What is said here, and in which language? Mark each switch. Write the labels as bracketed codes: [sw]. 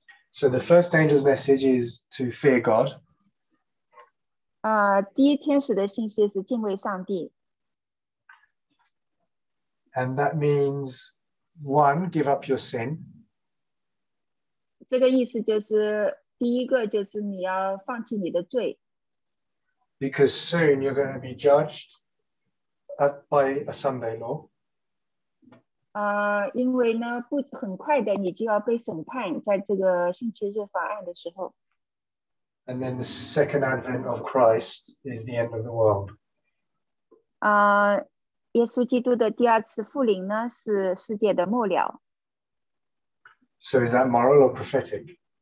[en] So the first angel's message is to fear God. [zh] 第一天使的信息是敬畏上帝。 [en] And that means, one, give up your sin. [zh] 这个意思就是 第一个就是你要放弃你的罪, [en] because soon you're going to be judged by a Sunday law. [zh] 因为呢，很快的你就要被审判，在这个星期日法案的时候. [en] And then the second advent of Christ is the end of the world. [zh] 耶稣基督的第二次复临呢，是世界的末了. [en] So is that moral or prophetic?